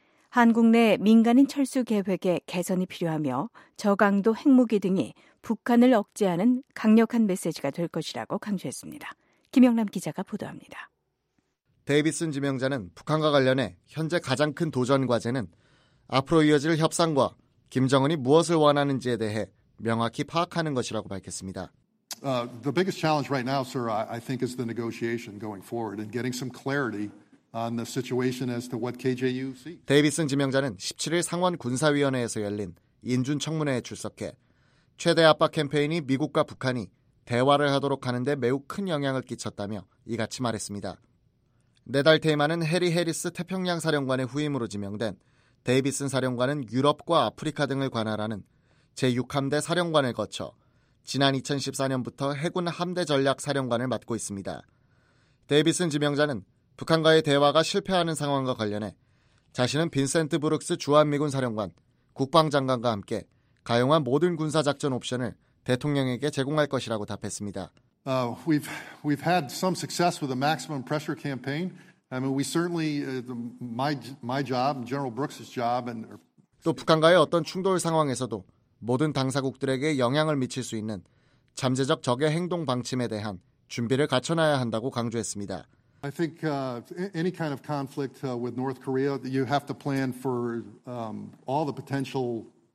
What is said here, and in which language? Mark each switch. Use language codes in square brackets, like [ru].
[ko] 한국 내 민간인 철수 계획에 개선이 필요하며 저강도 핵무기 등이 북한을 억제하는 강력한 메시지가 될 것이라고 강조했습니다. 김영남 기자가 보도합니다. 데이비슨 지명자는 북한과 관련해 현재 가장 큰 도전 과제는 앞으로 이어질 협상과 김정은이 무엇을 원하는지에 대해 명확히 파악하는 것이라고 밝혔습니다. [en] The biggest challenge right now, sir, I think is the negotiation going forward and getting some clarity on the situation as to what KJU sees. [ko] 데이비슨 지명자는 17일 상원 군사위원회에서 열린 인준 청문회에 출석해 최대 압박 캠페인이 미국과 북한이 대화를 하도록 하는 데 매우 큰 영향을 끼쳤다며 이같이 말했습니다. 네달 테이마는 해리 해리스 태평양 사령관의 후임으로 지명된 데이비슨 사령관은 유럽과 아프리카 등을 관할하는 제6함대 사령관을 거쳐 지난 2014년부터 해군 함대 전략 사령관을 맡고 있습니다. 데이비슨 지명자는 북한과의 대화가 실패하는 상황과 관련해 자신은 빈센트 브룩스 주한미군 사령관, 국방장관과 함께 가용한 모든 군사 작전 옵션을 대통령에게 제공할 것이라고 답했습니다. [en] We've had some success with the maximum pressure campaign. I mean, we certainly my job, General Brooks's job, and [ko] 또 북한과의 어떤 충돌 상황에서도 모든 당사국들에게 영향을 미칠 수 있는 잠재적 적의 행동 방침에 대한 준비를 갖춰놔야 한다고 강조했습니다. [en] I think any kind of conflict with North Korea, you have to plan for all the potential.